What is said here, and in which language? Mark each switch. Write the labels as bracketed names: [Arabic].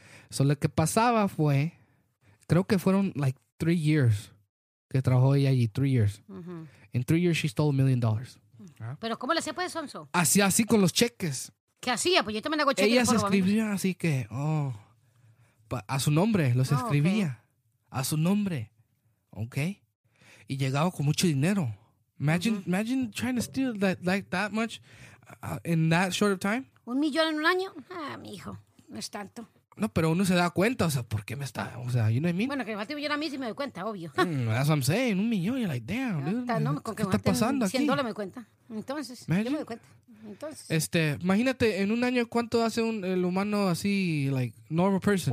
[Spanish] So, lo que pasaba fue, creo que fueron [English] like 3 years [Spanish] que trabajó ella allí, [English] 3 years. Uh-huh. In 3 years she stole $1 million. [Spanish] ¿Pero cómo le hacía pues, Sonso? Hacía así con los cheques. ¿Qué hacía? Pues yo también hago cheques. Ella se escribía así que, oh, a su nombre, los escribía. Okay. A su nombre, ¿ok? Y llegaba con mucho dinero. [English] Imagine, uh-huh, imagine trying to steal that, like that much in that short of time. [Spanish] $1 million en un año. Ah, mi hijo, no es tanto. No, pero uno se da cuenta, o sea, ¿por qué me está? O sea, [English] you know what I mean? [Spanish] Bueno, que me falta $1 million a mí si me doy cuenta, obvio. [English] That's what I'm saying, $1 million, you're like, damn, dude. [Spanish] No, ¿qué que está pasando aquí? $100 me cuenta. Entonces, imagine, yo me doy cuenta. Entonces. Imagínate, en un año, ¿cuánto hace el humano así, [English] like, normal person?